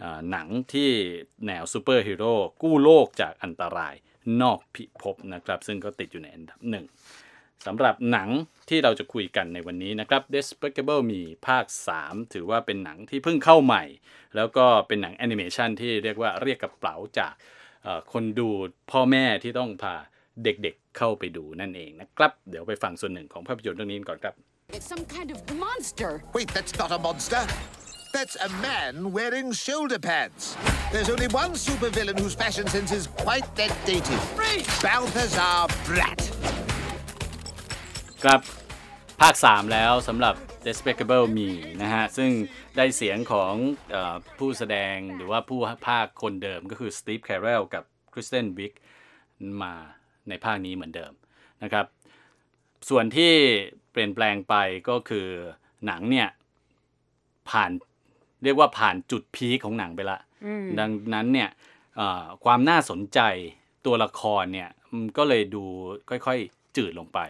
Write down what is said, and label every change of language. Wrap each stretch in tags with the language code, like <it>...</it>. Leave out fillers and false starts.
<th>หนังที่แนวซูเปอร์ฮีโร่กู้โลกจากอันตรายนอกพิภพนะครับซึ่งก็ติดอยู่ในอันดับ1สำหรับหนังที่เราจะคุยกันในวันนี้นะครับ Despicable Me ภาค3ถือว่าเป็นหนังที่เพิ่งเข้าใหม่แล้วก็เป็นหนังแอนิเมชันที่เรียกว่าเรียกกระเป๋าจากคนดูพ่อแม่ที่ต้องพาเด็กๆ เข้าไปดูนั่นเองนะครับเดี๋ยวไปฟังส่วนหนึ่งของภาพยนตร์เรื่องนี้ก่อนครับ</th> <en>It's some kind of monster. Wait, that's not a monster. That's a man wearing shoulder pants. There's only one supervillain whose fashion sense is quite that dated.</en> <th>Balthazar Brat.ครับภาค3แล้วสำหรับ Despicable Me นะฮะซึ่งได้เสียงของผู้แสดงหรือว่าผู้ภาคคนเดิมก็คือ Steve Carell กับ Kristen Wiig มาในภาคนี้เหมือนเดิมนะครับส่วนที่เปลี่ยนแปลงไปก็คือหนังเนี่ยผ่านเรียกว่าผ่านจุดพีคของหนังไปละดังนั้นเนี่ยความน่าสนใจตัวละครเนี่ยก็เลยดูค่อยๆจืดลงไป</th>